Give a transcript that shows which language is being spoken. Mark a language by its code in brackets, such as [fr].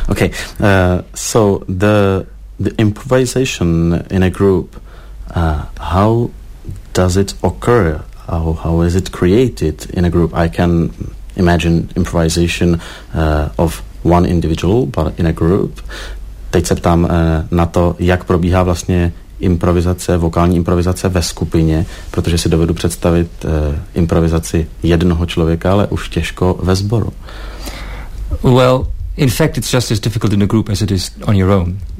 [en] Okay, so the improvisation in a group, how does it occur? How is it created in a group? I can imagine improvisation of one individual, but in a group. [cs] Teď se ptám na to, jak probíhá vlastně improvizace, vokální improvizace ve skupině, protože si dovedu představit improvizaci jednoho člověka, ale už těžko ve sboru. [en] Well, in fact, it's just as difficult in a group as it is on your own.